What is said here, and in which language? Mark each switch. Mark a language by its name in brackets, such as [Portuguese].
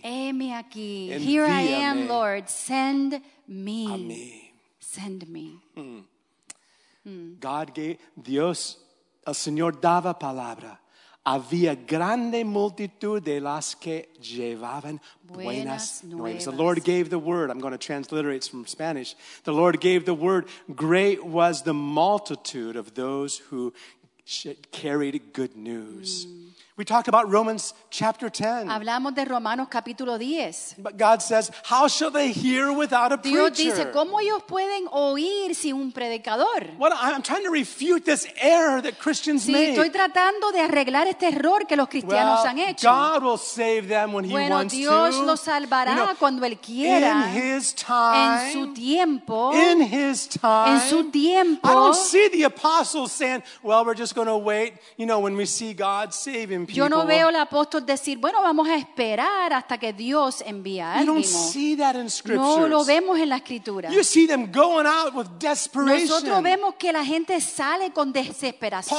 [Spanish] Heme aquí. [English] Here I am, Lord. Send me. [Spanish] A mí. [English] Send me. God gave, [Spanish] Dios, el Señor daba palabra. Había grande multitud de las que llevaban buenas nuevas. [English] The Lord gave the word. I'm going to transliterate from Spanish. The Lord gave the word. Great was the multitude of those who carried good news. We talked about Romans chapter 10. [Spanish] Hablamos de Romanos capítulo 10. [English] But God says, how shall they hear without a preacher? [Spanish] Dios dice, ¿cómo ellos pueden oír sin un predicador? [English] Well, I'm trying to refute this error that Christians [Spanish] sí, [English] make. [Spanish] Estoy tratando de arreglar este error que los cristianos [English] well, [Spanish] han hecho. [English] God will save them when [Spanish] bueno, [English] he wants [Spanish] Dios [English] to. [Spanish] Los salvará [English] you know, [Spanish] cuando él quiera. [English] In his time. [Spanish] En su tiempo. [English] In his time. [Spanish] En su tiempo. [English] I don't see the apostles saying, well, we're just going to wait, you know, when we see God save him. [Spanish] Yo no veo al apóstol decir, bueno, vamos a esperar hasta que Dios envíe a alguien. No lo vemos en la Escritura. [English] You see them going out with desperation. [Spanish] Nosotros vemos que la gente sale con desesperación.